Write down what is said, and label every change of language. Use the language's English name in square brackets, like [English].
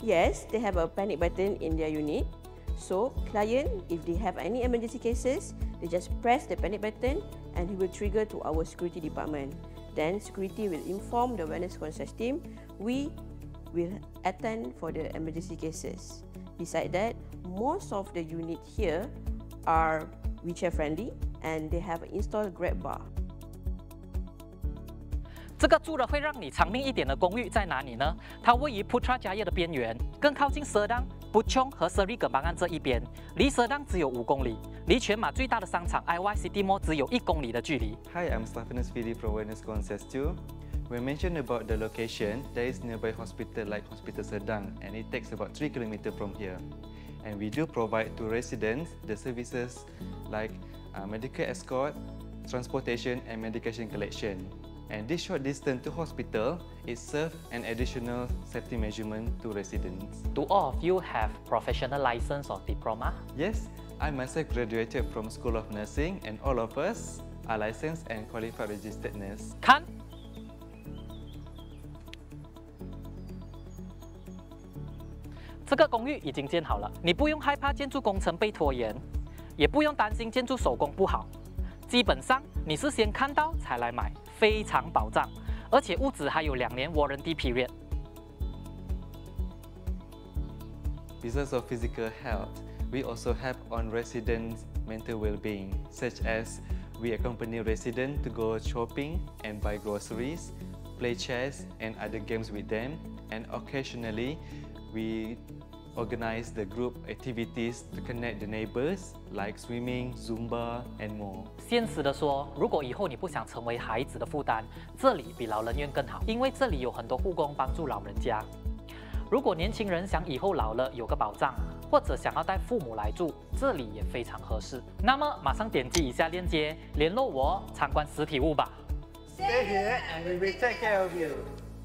[English] Yes, they have a panic button in their unit. So client, if they have any emergency cases, they just press the panic button and it will trigger to our security department. Then security will inform the wellness concierge team. We will attend for the emergency cases. Besides that, most of the units here are wheelchair friendly and they have installed grab bar. [Chinese] 这个住了会让你长命一点的公寓在哪里呢？它位于 Putra Jaya 的边缘，更靠近 Serdang、Puchong 和 Seri Kembangan 这一边，离 Serdang 只有5公里，离全马最大的商场 IY City Mall 只有1公里的距离。 [English] Hi, I'm Stephanus Philip from Wellness Concierge 2. We mentioned about the location. There is nearby hospital like Hospital Serdang, and it takes about 3 kilometers from here. And we do provide to residents the services like medical escort, transportation, and medication collection. And this short distance to hospital is serve an additional safety measurement to residents. Do all of you have professional license or diploma? Yes, I myself graduated from School of Nursing and all of us are licensed and qualified registered nurse. Khan! This building has been built. You don't have to worry about the building being delayed. You don't have to worry about the building being bad. [Chinese] 基本上你是先看到才来买，非常保障，而且屋子还有2年 [English] warranty period。 Besides of physical health, we also help on residents' mental well-being, such as we accompany residents to go shopping and buy groceries, play chess and other games with them, and occasionally we organize the group activities to connect the neighbors. Like swimming, Zumba, and more. [Chinese] 现实的说，如果以后你不想成为孩子的负担，这里比老人院更好，因为这里有很多护工帮助老人家。如果年轻人想以后老了有个保障，或者想要带父母来住，这里也非常合适。那么马上点击以下链接，联络我参观实体屋吧。 [English] Stay here, and we will take care of you.